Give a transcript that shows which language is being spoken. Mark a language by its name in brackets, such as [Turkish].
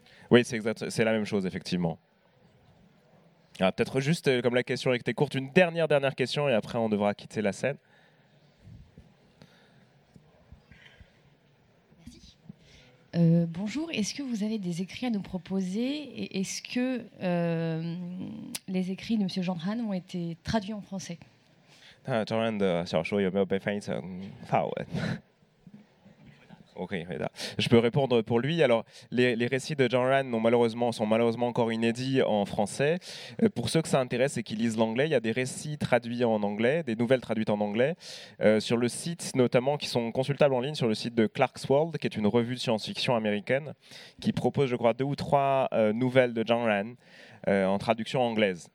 [French] Oui, c'est la même chose, effectivement. Ah, peut-être juste, comme la question était courte, une dernière question et après, on devra quitter la scène. Bonjour, est-ce que vous avez des écrits à nous proposer et est-ce que les écrits de M. Zhang Han ont été traduits en français ? [Chinese] Zhang Han 的小说有没有被翻译成法文？ [French] Okay, je peux répondre pour lui. Alors, les récits de Zhang Han sont malheureusement encore inédits en français. Pour ceux que ça intéresse et qui lisent l'anglais, il y a des récits traduits en anglais, des nouvelles traduites en anglais, sur le site notamment, qui sont consultables en ligne, sur le site de Clark's World, qui est une revue de science-fiction américaine, qui propose, je crois, deux ou trois nouvelles de Zhang Han en traduction anglaise.